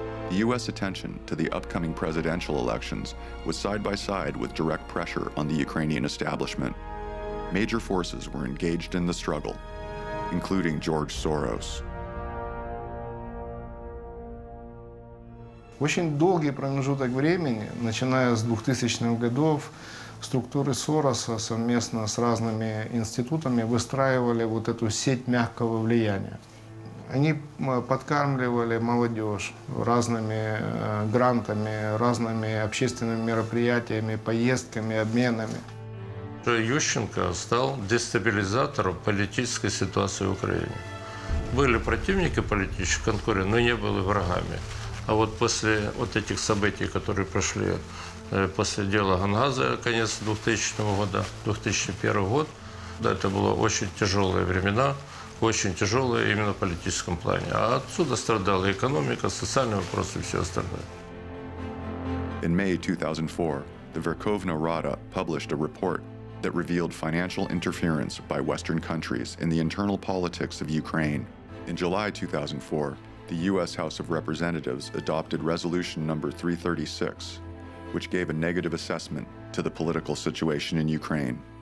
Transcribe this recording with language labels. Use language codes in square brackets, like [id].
[en] The U.S. attention to the upcoming presidential elections was side by side with direct pressure on the Ukrainian establishment. Major forces were engaged in the struggle, including George Soros. [ru] Очень долгий промежуток времени, начиная с 2000-х годов, структуры Сороса совместно с разными институтами выстраивали вот эту сеть мягкого влияния. Они подкармливали молодежь разными грантами, разными общественными мероприятиями, поездками, обменами. Ющенко стал дестабилизатором политической ситуации в Украине. Были противники политической конкуренции, но не были врагами. А вот после вот этих событий, которые прошли после дела Гангаза, конец 2000 года, 2001 год, да, это было очень тяжелые времена. Очень тяжелое именно в политическом плане. А отсюда страдала экономика, социальные вопросы и все остальное. [en] In May 2004, the Верховна Рада published a report that revealed financial interference by Western countries in the internal politics of Ukraine. In July 2004, the U.S. House of Representatives adopted Resolution No. 336, which gave a negative assessment to the political situation in Ukraine.